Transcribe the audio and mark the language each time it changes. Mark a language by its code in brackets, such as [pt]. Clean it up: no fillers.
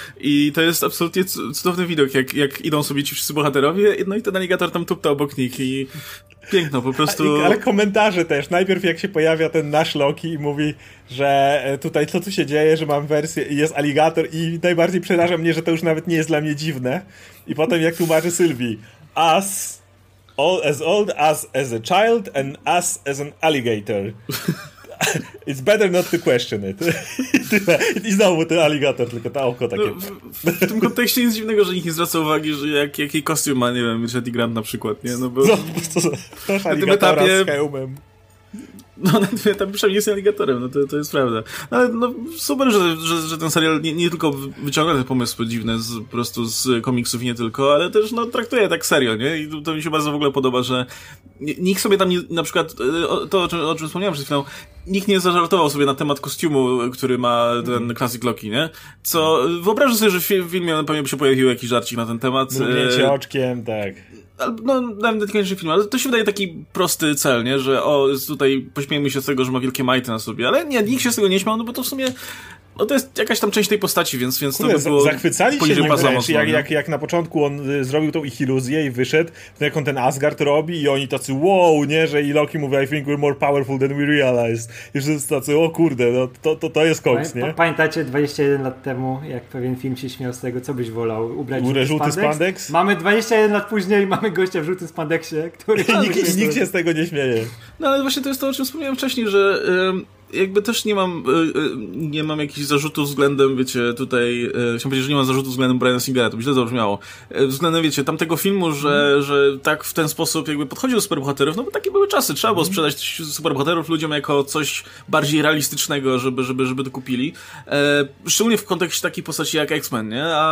[pl] I to jest absolutnie cudowny widok, jak idą sobie ci wszyscy bohaterowie, no i ten Alligator tam tupta obok nich i piękno, po prostu. Ale komentarze też. Najpierw jak się pojawia ten nasz Loki i mówi, że tutaj to, co się dzieje, że mam wersję i jest Alligator i najbardziej przeraża mnie, że to już nawet nie jest dla mnie dziwne. I potem jak tłumaczy Sylwii, [en] as old as a child and us as an alligator. It's better not to question it. [pl] I znowu ten Alligator, tylko ta oko takie. No, w tym kontekście nic dziwnego, że nikt nie zwraca uwagi, że jaki kostium ma, nie wiem, Richard E. Grant na przykład, nie? No bo... No, po prostu, na tym etapie... z hełmem. No, tam przynajmniej jest aligatorem, no to jest prawda. Ale no, super, że ten serial nie tylko wyciąga te pomysły dziwne z, po prostu z komiksów nie tylko, ale też no, traktuje tak serio, nie? I to mi się bardzo w ogóle podoba, że nikt sobie tam nie, na przykład, to o czym wspomniałem przed chwilą, nikt nie zażartował sobie na temat kostiumu, który ma ten Classic Loki, nie? Co, wyobrażę sobie, że w filmie pewnie by się pojawił jakiś żarcik na ten temat. Mówięcie oczkiem, tak. No, nawet nie koniecznie film, ale to się wydaje taki prosty cel, nie? Że o, tutaj pośmiejmy się z tego, że ma wielkie majty na sobie, ale nie, nikt się z tego nie śmiał, no bo to w sumie no to jest jakaś tam część tej postaci, więc kurde, to by było zachwycali się niektórych, jak na początku on zrobił tą ich iluzję i wyszedł, to jak on ten Asgard robi i oni tacy wow, nie? Że i Loki mówi, [en] I think we're more powerful than we realized. [pl] I wszyscy tacy, o kurde, no to jest koks, nie? Pamiętacie 21 lat temu, jak pewien film się śmiał z tego, co byś wolał? Ubrać żółty spandex? Mamy 21 lat później i mamy gościa w żółtym spandexie, który... nikt się z tego nie śmieje. No ale właśnie to jest to, o czym wspomniałem wcześniej, że... jakby też nie mam jakichś zarzutów względem, wiecie, tutaj chciałem powiedzieć, że nie mam zarzutu względem Briana Singera, to by źle zabrzmiało, względem, wiecie, tamtego filmu, że tak w ten sposób jakby podchodził do superbohaterów, no bo takie były czasy, trzeba było sprzedać superbohaterów ludziom jako coś bardziej realistycznego, żeby to kupili, szczególnie w kontekście takiej postaci jak X-Men, nie,